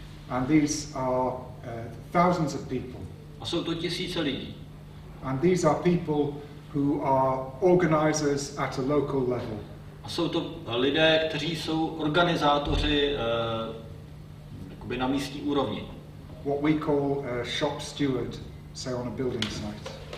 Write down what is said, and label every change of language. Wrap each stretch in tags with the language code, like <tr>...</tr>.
<en>And these are thousands of people.</en> <cs>A jsou to tisíce lidí.</cs> <en>And these are people who are organizers at a local level.</en> <cs>A jsou to lidé, kteří jsou organizátoři jakoby na místní úrovni.</cs> <en>What we call a shop steward, say on a building site.</en>